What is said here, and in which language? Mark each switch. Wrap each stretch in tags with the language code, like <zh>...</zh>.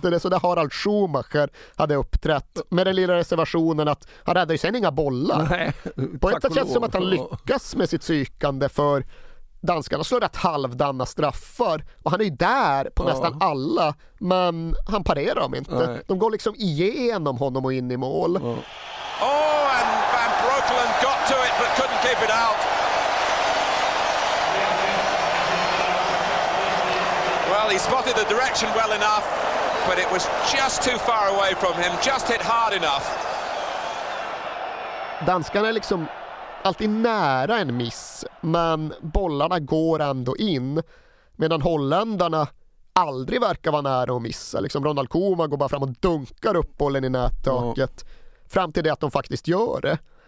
<sv>Ja. Det är så där Harald Schumacher hade uppträtt. Med den lilla reservationen att han räddade ju sen inga bollar. Nej, på ett sätt känns det som att han lyckas med sitt psykande för danskarna slår rätt halvdanna straffar. Och han är ju där på nästan alla. Men han parerar dem inte. Nej. De går liksom igenom honom och in i mål. Ja.</sv> <en>Oh, and van Breukelen got to it but couldn't keep it out. Well, he spotted the direction well enough, but it was just too far away from him, just hit hard enough.</en> <sv>Danskarna är liksom alltid nära en miss, men bollarna går ändå in, medan holländarna aldrig verkar vara nära att missa. Liksom Ronald Koeman går bara fram och dunkar upp bollen i nättaket, fram till det att de faktiskt gör det.</sv>